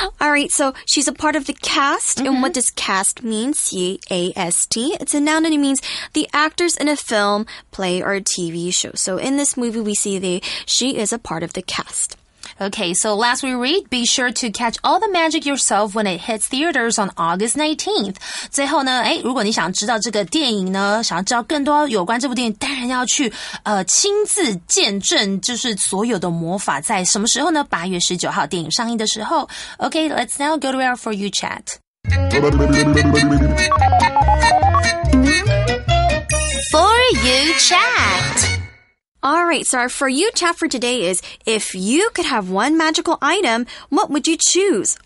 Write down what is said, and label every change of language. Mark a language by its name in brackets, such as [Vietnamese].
[English] All right, so she's a part of the cast.、Mm-hmm. And what does cast mean? C-A-S-T. It's a noun and it means the actors in a film, play, or TV show. So in this movie, we see she is a part of the cast. Okay, so last we read, be sure to catch all the magic yourself when it hits theaters on August 19th. [Chinese] 最后呢，诶，如果你想知道这个电影呢，想要知道更多有关这部电影，当然要去亲自见证就是所有的魔法在什么时候呢？ 8月19号电影上映的时候。 [English] Okay, let's now go to our For You chat. For You chat. All right, so our For You chat for today is, if you could have one magical item, what would you choose?